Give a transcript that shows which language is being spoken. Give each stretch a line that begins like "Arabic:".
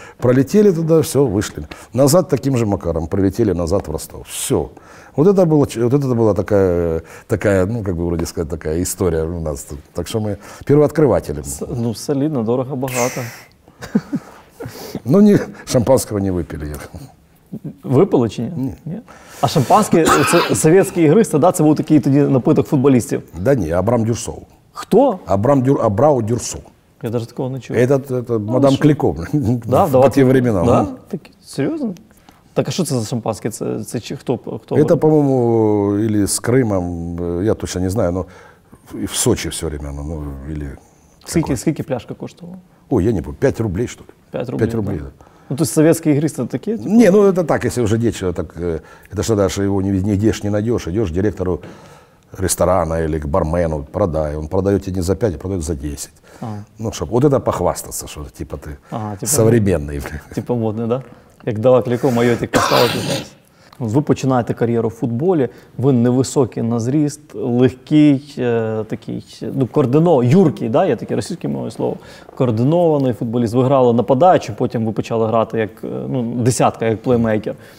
Russian: Пролетели туда, все, вышли. Назад таким же макаром. Прилетели назад в Ростов. Все. Вот это была такая, ну, как бы вроде сказать, такая история у нас. Так что мы первооткрыватели. Ну, солидно, дорого, богато. Ну, ни шампанского не выпили.
Ukrainian: Випили чи ні? Ні. А шампанське – це совєтські ігри, да? Це був такий тоді напиток футболістів? Да ні, Абрам Дюрсов. Хто? Абрау Дюрсов. Я навіть такого не чув.
Russian: Это мадам Кліко. Да, в ті времена.
Ukrainian: Да? Так, серйозно? Так а що це за шампанське? Це хто?
Russian: Это, по-моєму, или з Кримом, я точно не знаю, но в Сочи все время. Ну, или
Ukrainian: скільки пляшка коштувала?
Russian: Ой, я не помню, 5 рублей, что ли. 5 рублей, да. Ну, то есть советские игристы такие? Типа? Не, ну это так, если уже дети, так, это что, даже его нигде ж не найдешь. Идешь к директору ресторана или к бармену, продай. Он продает тебе не за 5, а продает за 10. А. Ну, чтобы вот это похвастаться, что типа ты современный. Типа модный, да?
Ukrainian: Як дала кліко, моє тільки стало пізнатися. Ви починаєте кар'єру в футболі, ви невисокий на зріст, легкий, такий, ну, координований, юркий, да, є таке російське моє слово, координований футболіст. Ви грали нападаючи, потім ви почали грати як, ну, десятка, як плеймейкер.